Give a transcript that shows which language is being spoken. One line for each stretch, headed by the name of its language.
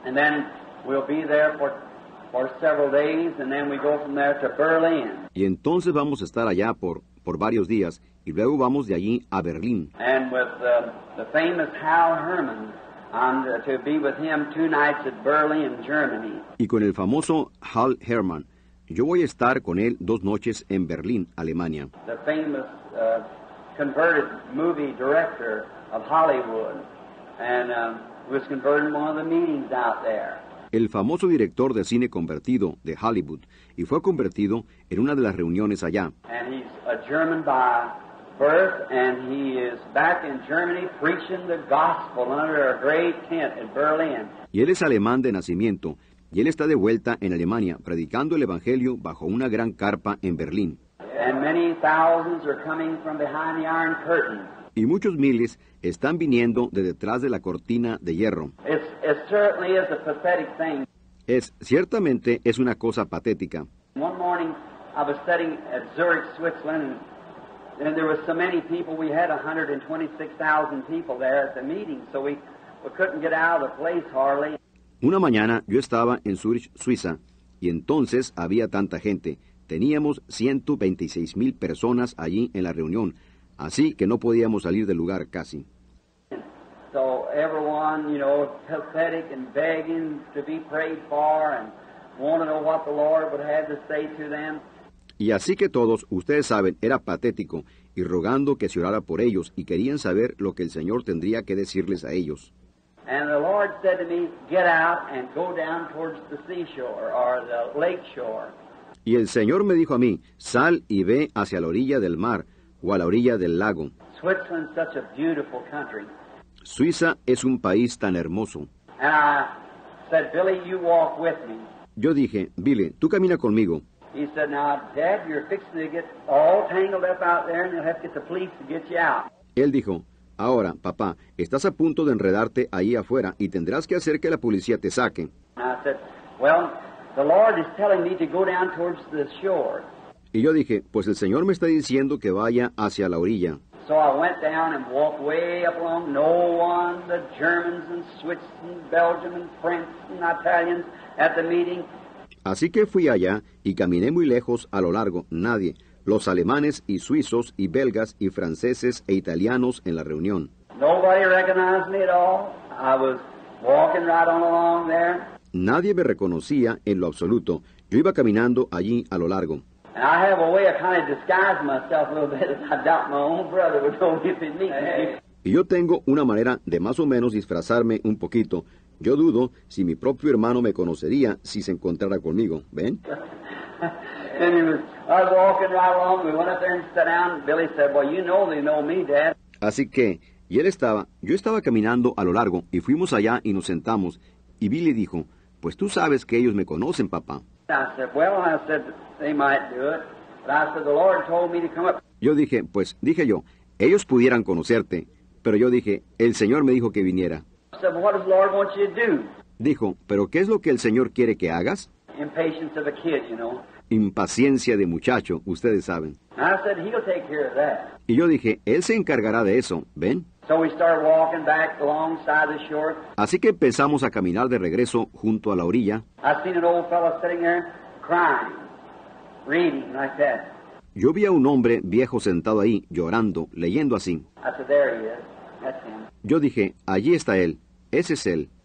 English: And then we'll be there for several days, and then we go from there to Berlin.
Spanish: Y entonces vamos a estar allá por varios días, y luego vamos de allí a Berlín.
English: And with the famous Hal Herman, to be with him 2 nights at Berlin, Germany.
Spanish: Y con el famoso Hal Herman, yo voy a estar con él 2 noches en Berlín, Alemania.
English: The famous converted movie director of Hollywood, and was converted in one of the meetings out there.
Spanish: El famoso director de cine convertido de Hollywood, y fue convertido en una de las reuniones allá.
English: And he's a German by birth, and he is back in Germany preaching the gospel under a great tent in Berlin.
Spanish: Y él es alemán de nacimiento, y él está de vuelta en Alemania predicando el evangelio bajo una gran carpa en Berlín.
English: And many thousands are coming from behind the iron curtain.
Spanish: Y muchos miles están viniendo de detrás de la cortina de hierro.
English: It certainly is a pathetic thing.
Spanish: Ciertamente es una cosa patética.
English: One morning I was studying at Zurich, Switzerland, and there were so many people, we had 126,000 people there at the meeting, so we couldn't get out of the place hardly.
Spanish: Una mañana yo estaba en Zurich, Suiza, y entonces había tanta gente. Teníamos 126 mil personas allí en la reunión, así que no podíamos salir del lugar casi.
English: So everyone, you know, pathetic and begging to be prayed for and want to know what the Lord would have to say to them.
Spanish: Y así que todos, ustedes saben, era patético y rogando que se orara por ellos y querían saber lo que el Señor tendría que decirles a ellos.
English: And the Lord said to me, get out and go down towards the seashore or the lake shore.
Spanish: Y el Señor me dijo a mí, sal y ve hacia la orilla del mar o a la orilla del lago.
English: Switzerland's such a beautiful country.
Spanish: Suiza es un país tan hermoso.
English: And I said, Billy, you walk with me.
Spanish: Yo dije, Billy, tú camina conmigo.
English: He said, now, Dad, you're fixing to get all tangled up out there and you'll have to get the police to get you out.
Spanish: Él dijo, ahora, papá, estás a punto de enredarte ahí afuera y tendrás que hacer que la policía te saque.
English: And I said, well, the Lord is telling me to go down towards the shore.
Spanish: Y yo dije, pues el Señor me está diciendo que vaya hacia la orilla.
English: So I went down and walked way up along. No one, the Germans and Swiss and Belgium and French and Italians at the meeting.
Spanish: Así que fui allá y caminé muy lejos a lo largo. Nadie. Los alemanes y suizos y belgas y franceses e italianos en la reunión.
English: Nobody recognized me at all. I was walking right on along there.
Spanish: Nadie me reconocía en lo absoluto. Yo iba caminando allí a lo largo.
English: And I have a way of kind of disguising myself a little bit. I doubt my own brother would know if he'd meet me.
Spanish: Y yo tengo una manera de más o menos disfrazarme un poquito. Yo dudo si mi propio hermano me conocería si se encontrara conmigo. ¿Ven?
English: I was walking right along. We went up there and sat down. Billy said, well, you know me, Dad.
Spanish: Así que, y él estaba, yo estaba caminando a lo largo y fuimos allá y nos sentamos. Y Billy dijo, pues tú sabes que ellos me conocen, papá.
English: I said, they might do it. But I said, the Lord told me to come up.
Spanish: Dije yo, ellos pudieran conocerte. Pero yo dije, el Señor me dijo que viniera.
English: I said, well, what does the Lord want you to do?
Spanish: Dijo, ¿pero qué es lo que el Señor quiere que hagas?
English: Impatience of a kid, you know.
Spanish: Impaciencia de muchacho, ustedes saben.
English: And I said, he'll take care of that.
Spanish: Y yo dije, él se encargará de eso, ¿ven?
English: So we started walking back alongside the shore.
Spanish: Así que empezamos a caminar de regreso junto a la orilla.
English: I seen an old fellow sitting there crying, reading like that.
Spanish: Yo vi a un hombre viejo sentado ahí, llorando, leyendo así.
English: I said, there he is. That's him.
Spanish: Yo dije, allí está él, ese es él.